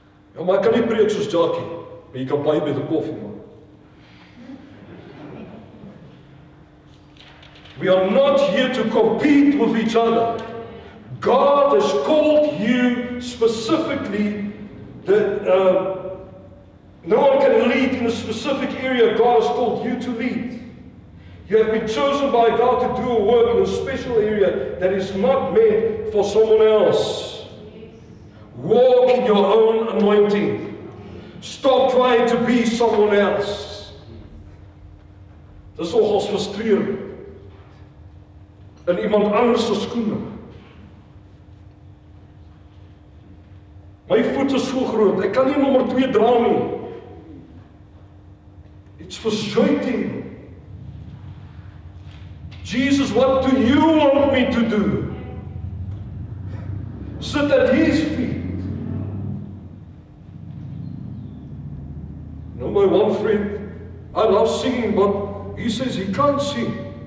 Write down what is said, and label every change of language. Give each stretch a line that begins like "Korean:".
Afrikaans: Ja, maar ek kan nie preek soos Jackie, maar jy kan baie beter koffie maak.
English: We are not here to compete with each other. God has called you specifically that no one can lead in a specific area God has called you to lead. You have been chosen by God to do a work in a special area that is not meant for someone else. Walk in your own anointing. Stop trying to be someone else.
Afrikaans: Dit is nogals frustrerend. In iemand anders se skoene. My voet is so groot, ek kan nie nommer 2 dra nie.
English: It's frustrating. Jesus, what do you want me to do? Sit at his feet. Now my one friend, I love singing, but he says he can't sing.